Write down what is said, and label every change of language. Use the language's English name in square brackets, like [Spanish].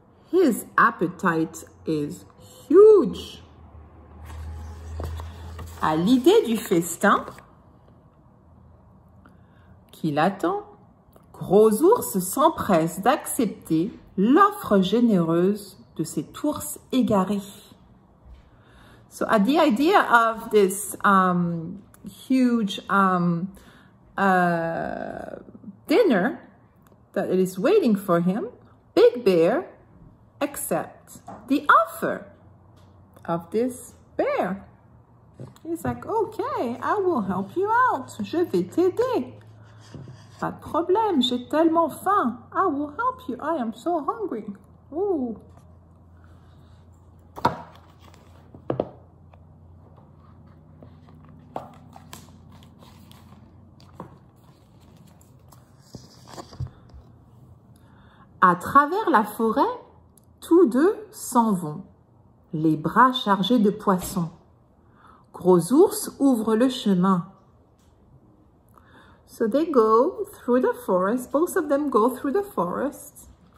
[English] His appetite is huge. [French] À l'idée du festin qui l'attend, Gros ours s'empresse d'accepter l'offre généreuse de cet ours égaré. [English] So at the idea of this huge dinner that it is waiting for him, Big Bear accepts the offer of this bear. He's like, okay, I will help you out. [French] Je vais t'aider. Pas de problème, j'ai tellement faim. [English] I will help you. I am so hungry. Ooh. [French] À travers la forêt, tous deux s'en vont, les bras chargés de poissons. Gros ours ouvre le chemin. [English] So they go through the forest, both of them go through the forest.